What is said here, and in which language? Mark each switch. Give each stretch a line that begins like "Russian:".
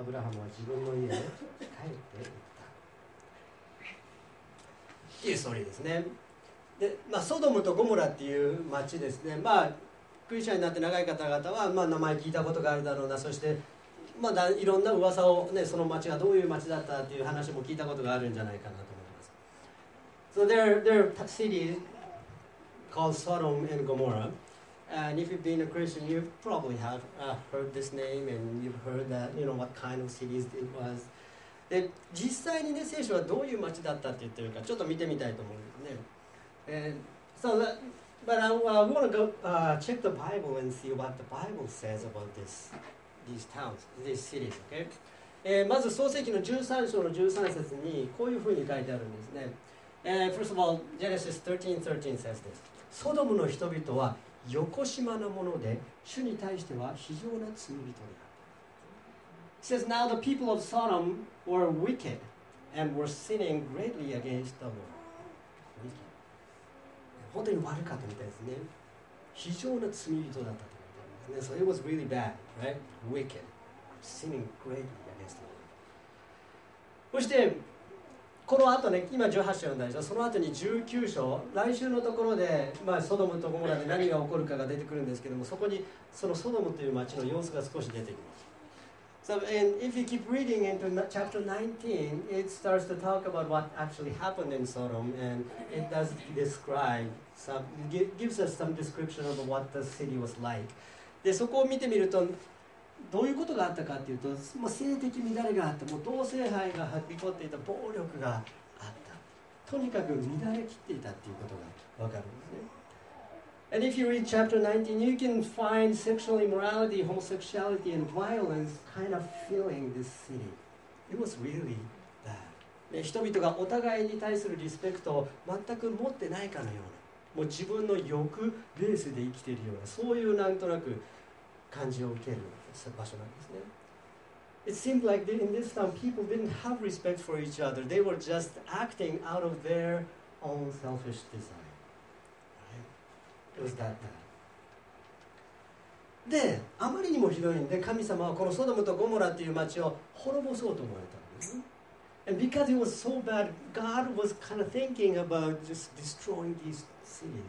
Japanese: アブラハムは自分の家へ帰っていったというストーリーですね。で、まあ、ソドムとゴモラっていう町ですね、まあ、クリスチャンになって長い方々は、まあ、名前聞いたことがあるだろうな、そして、まあ、いろんな噂を、ね、その町がどういう町だったという話も聞いたことがあるんじゃないかなと思います。
English: So there are cities called Sodom and GomorrahAnd if you've been a Christian, you probably have heard this name, and you've heard that, you know, what kind of cities it was.
Japanese: で、実際にね、聖書はどういう町だったって言ってるか、ちょっと見てみたいと思うんですね。
English: So, but I want to go check the Bible and see what the Bible says about these towns, these cities, okay?
Japanese: まず創世記の13章の13節にこういうふうに書いてあるんですね。
English: First of all, Genesis 13:13 says this.
Japanese: ソドムの人々は横島なもので、主に対しては非常な罪人である。
English: It says, Now the people of Sodom were wicked and were sinning greatly against the Lord.
Japanese: 本当に悪かったみたいですね。非常な罪人だったと思ったんですね。
English: So it was really bad, right? Wicked, sinning greatly against the Lord.
Japanese: そして、この後ね、今18章読んだでしょ、その後に19章、来週のところで、まあ、ソドムとゴモラで何が起こるかが出てくるんですけども、そこにそのソドムという町の様子が少し出てきます。
English: So, and if you keep reading into chapter 19, it starts to talk about what actually happened in Sodom, and it does describe, some, gives us some description of what the city was like.
Japanese: で、そこを見てみると、どういうことがあったかというと、もう性的乱れがあって、もう同性愛がはびこっていた、暴力があった。とにかく乱れ切っていたということがわかるんですね。
English: And if you read chapter 19, you can find sexual immorality, homosexuality, and violence kind of filling this city. It was really bad.
Japanese: 人々がお互いに対するリスペクトを全く持ってないかのような、もう自分の欲ベースで生きているような、そういうなんとなく感じを受ける。場所なんですね。
English: It seemed like in this town people didn't have respect for each other. They were just acting out of their own selfish desire. Right? It was that bad.
Japanese: で、あまりにもひどいんで、神様はこのソドムとゴモラっていう町を滅ぼそうと思われたんです。
English: And because it was so bad, God was kind of thinking about just destroying these cities.